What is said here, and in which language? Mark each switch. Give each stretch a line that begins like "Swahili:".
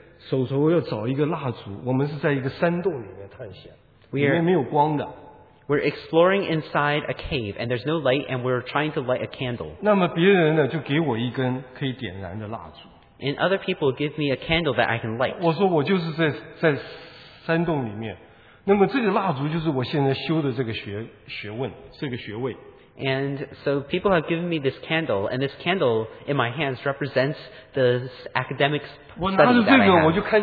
Chinese: 我们开始手头要找一个蜡烛, 我们是在一个山洞里面探险, 里面没有光的。
English: We're exploring inside a cave, and there's no light, and we're trying to light a candle.
Chinese: 那么别人呢就给我一根可以点燃的蜡烛。
English: And other people give me a candle that I can light.
Chinese: 我说我就是在山洞里面，那么这个蜡烛就是我现在修的这个学问，这个学位。
English: And so people have given me this candle, and this candle in my hands represents the academic study that I have.